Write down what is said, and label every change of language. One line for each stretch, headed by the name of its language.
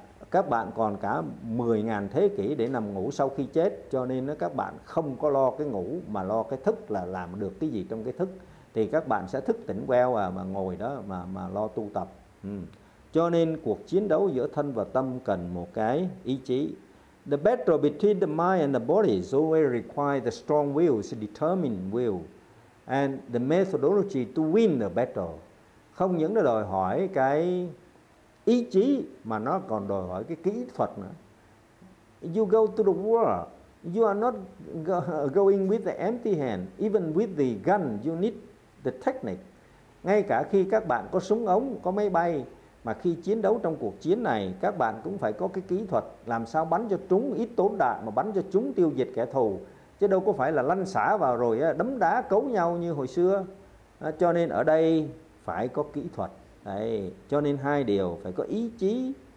Vietnamese: Các bạn còn cả 10.000 thế kỷ để nằm ngủ sau khi chết, cho nên nó các bạn không có lo cái ngủ mà lo cái thức, là làm được cái gì trong cái thức thì các bạn sẽ thức tỉnh queo à, mà ngồi đó mà lo tu tập. Cho nên cuộc chiến đấu giữa thân và tâm cần một cái ý chí.
English: The battle between the mind and the body is always require the strong will, the determined will and the methodology to win the battle.
Vietnamese: Không những là đòi hỏi cái ý chí mà nó còn đòi hỏi cái kỹ thuật nữa.
English: You go to the war, you are not going with the empty hand. Even with the gun, you need the technique.
Vietnamese: Ngay cả khi các bạn có súng ống, có máy bay, mà khi chiến đấu trong cuộc chiến này, các bạn cũng phải có cái kỹ thuật làm sao bắn cho trúng, ít tốn đạn mà bắn cho trúng, tiêu diệt kẻ thù. Chứ đâu có phải là lăn xả vào rồi đấm đá cấu nhau như hồi xưa. Cho nên ở đây phải có kỹ thuật. Đấy. Cho nên hai điều, phải có ý chí.